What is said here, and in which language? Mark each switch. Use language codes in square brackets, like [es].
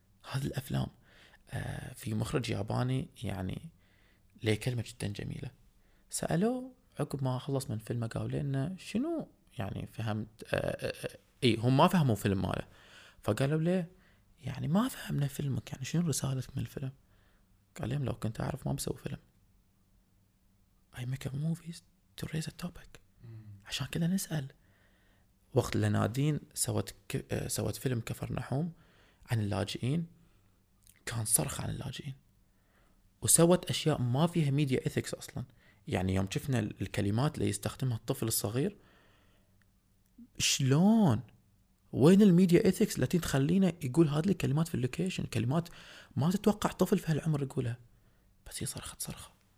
[ar] هذا الأفلام في مخرج ياباني يعني ليه كلمة جدا جميلة. سألوا عقب ما خلص من فيلمه قالوا لنا شنو يعني فهمت إيه هم ما فهموا فيلم ماله. فقالوا ليه يعني ما فهمنا فيلمك، يعني شنو رسالتك من الفيلم؟ قال لهم لو كنت أعرف ما بسوي فيلم. [en] I make a movie to raise a topic. [ar] عشان كده نسأل. وقت لنادين سوت فيلم كفر نحوم عن اللاجئين كان صرخ عن اللاجئين، وسوت أشياء ما فيها ميديا إيثكس أصلا. يعني يوم شفنا الكلمات اللي يستخدمها الطفل الصغير شلون، وين الميديا إيثكس التي تخلينا يقول هذه الكلمات في اللوكيشن؟ كلمات ما تتوقع طفل في هالعمر يقولها، بس هي صرخت صرخة.